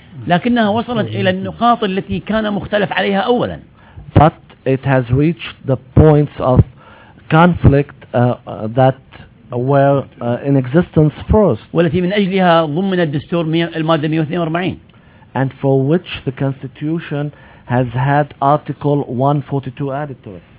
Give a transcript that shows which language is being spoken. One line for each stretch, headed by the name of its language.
Arabic: لكنها وصلت إلى النقاط التي كان مختلف عليها أولا.
English: But it has reached the points of conflict that were in existence first.
Arabic: والتي من أجلها ضمن الدستور المادة 142.
English: And for which the constitution has had article 142 added to it.